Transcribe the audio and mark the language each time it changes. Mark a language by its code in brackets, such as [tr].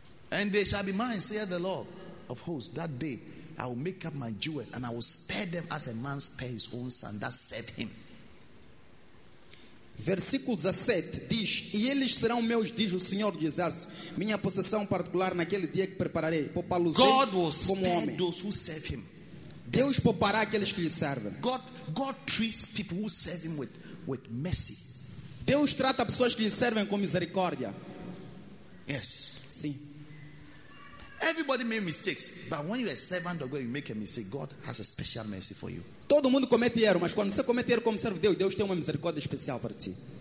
[en] And they shall be mine, saith the Lord of hosts. That day I will make up my jewels and I will spare them as a man spare his own son that serve him. [pt] Versículo 17 diz, e eles serão meus, diz o Senhor dos Exércitos, minha possessão particular naquele dia que prepararei, poupá-los como homem. [en] Those who serve him. [pt] Deus poupará aqueles que lhe servem. [en] God treats people who serve him with mercy. [pt] Deus trata pessoas que lhe servem com misericórdia. [en] Yes. [pt] Sim. [en] Everybody makes mistakes, but when you are a servant of God, you make a mistake, God has a special mercy for you. [pt] Todo mundo comete erro, mas quando você comete erro como servo de Deus, Deus tem uma misericórdia especial para ti.